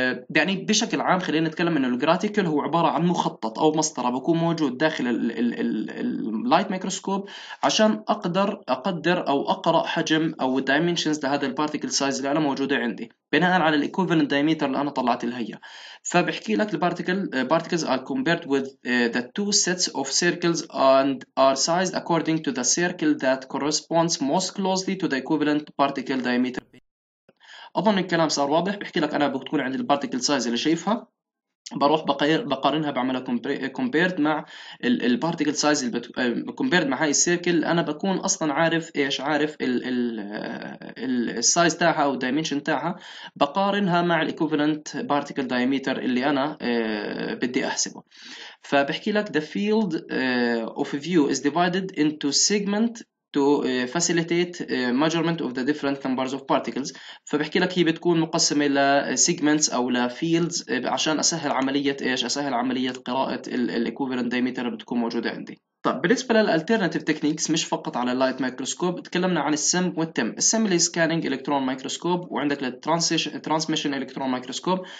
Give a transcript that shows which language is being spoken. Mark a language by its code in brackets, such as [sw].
[ar] يعني بشكل عام خلينا نتكلم انه الجراتيكل هو عباره عن مخطط او مسطره بكون موجود داخل اللايت مايكروسكوب عشان اقدر او اقرا حجم او دايمنشنز لهذا البارتيكل سايز اللي موجودة عندي بناء على الايكوفلنت دايمتر اللي انا طلعت الهيئة. فبحكي لك [en] particles are compared with the two sets of circles and are sized according to the circle that corresponds most closely to the equivalent particle diameter. [ar] اظن الكلام صار واضح. بحكي لك انا بتكون عندي particle size اللي شايفها, بروح بقارنها بعملها compared مع ال particle size compared مع هاي السيركل, انا بكون اصلا عارف ايش, عارف ال size تاعها او dimension تاعها, بقارنها مع ال equivalent particle diameter اللي انا بدي احسبه. فبحكي لك [en] the field of view is divided into segment to facilitate measurement of the different numbers of particles. [ar] فبحكي لك هي بتكون مقسمة ل segments أو ل fields عشان أسهل عملية إيش, أسهل عملية قراءة ال equivalent diameter اللي بتكون موجودة عندي. طب بالنسبة للالتيرناتيف تكنيكس, مش فقط على اللايت مايكروسكوب, تكلمنا عن السم والتم. السم اللي سكاننج الكترون مايكروسكوب, وعندك الترانسميشن الكترون مايكروسكوب.